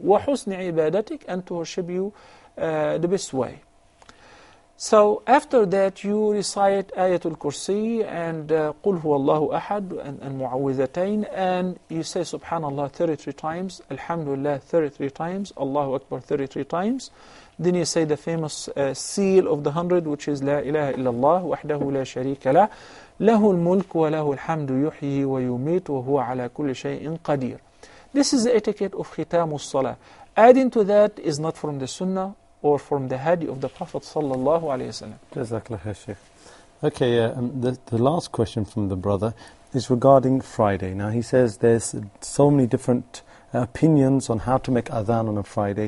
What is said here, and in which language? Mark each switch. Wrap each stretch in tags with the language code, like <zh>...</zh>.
<ar>وَحُسْنِ عِبَادَتِكَ</ar> <en>and to worship you the best way. So after that you recite Ayatul Kursi and</en> <ar>قُلْ هُوَ اللَّهُ أَحَدٌ</ar> <en>and مُعَوِّذَتَيْنَ and you say SubhanAllah 33 times, Alhamdulillah 33 times, Allahu Akbar 33 times. Then you say the famous seal of the 100, which is</en> <ar>La ilaha illallah, وَحْدَهُ لَا شَرِيكَ لَا لَهُ الْمُلْكُ وَلَهُ الْحَمْدُ يُحْيِي وَيُمِيتُ وَهُوَ عَلَى كُلِّ شَيْءٍ قَدِيرٌ.</ar> <en>This is the etiquette of khitam al-salah. Adding to that is not from the sunnah or from the hadith of the Prophet sallallahu alayhi wa sallam. Jazakallah khair, Sheikh. Okay, the last question from the brother is regarding Friday. Now, he says there's so many different opinions on how to make adhan on a Friday.</en>